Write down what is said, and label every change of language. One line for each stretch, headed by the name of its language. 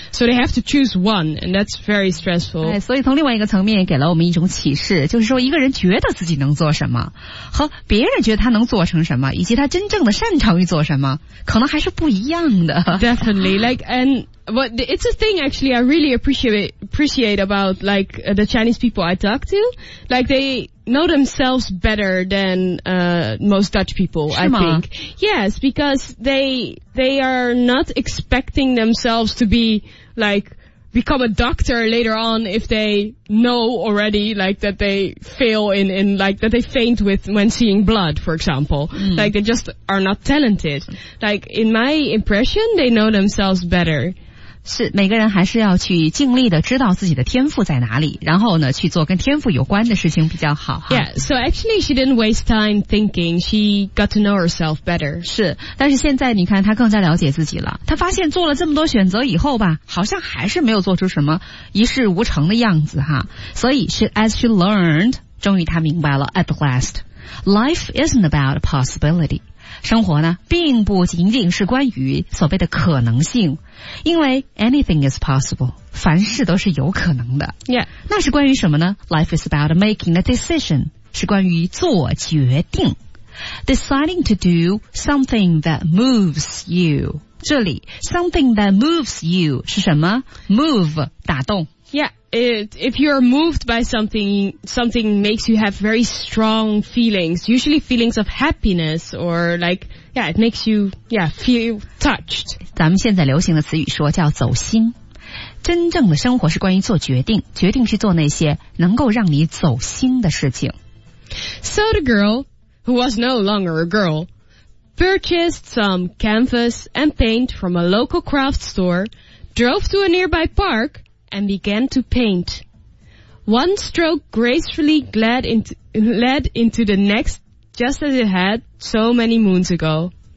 English: So they have to choose one, and that's very stressful.
Chinese: 所以从另外一个层面给了我们一种启示，就是说一个人觉得自己能做什么，和别人觉得他能做成什么，以及他真正的擅长于做什么，可能还是不一样的。
English: Definitely. Like, but it's a thing actually I really appreciate about, like, the Chinese people I talk to. Like, they know themselves better than, most Dutch people, I think. Yes, because they are not expecting themselves to be, like, become a doctor later on if they know already, like, that they fail in, like, that they faint when seeing blood, for example. Mm. Like, they just are not talented. Like, in my impression, they know themselves better.
Chinese: 是每个人还是要去尽力的知道自己的天赋在哪里，然后呢去做跟天赋有关的事情比较好哈。
English: Yeah, so actually she didn't waste time thinking, she got to know herself better.
Chinese: 是，但是现在你看她更加了解自己了，她发现做了这么多选择以后吧，好像还是没有做出什么一事无成的样子哈。所以
English: as she learned,
Chinese: 终于她明白了
English: at last, life isn't about possibility.
Chinese: 生活呢并不仅仅是关于所谓的可能性，因为
English: anything is possible,
Chinese: 凡事都是有可能的。
English: Yeah.
Chinese: 那是关于什么呢？
English: Life is about making a decision,
Chinese: 是关于做决定。
English: Deciding to do something that moves you.
Chinese: 这里
English: something that moves you
Chinese: 是什么？ Move, 打动。
English: Yeah, if you're moved by something makes you have very strong feelings, usually feelings of happiness or like, yeah, it makes you, yeah, feel touched.
Chinese: 咱们现在流行的词语说叫走心。真正的生活是关于做决定，决定去做那些能够让你走心的事情。
English: So the girl, who was no longer a girl, purchased some canvas and paint from a local craft store, drove to a nearby park,and began to paint. One stroke gracefully led into the next, just as it had so many moons ago.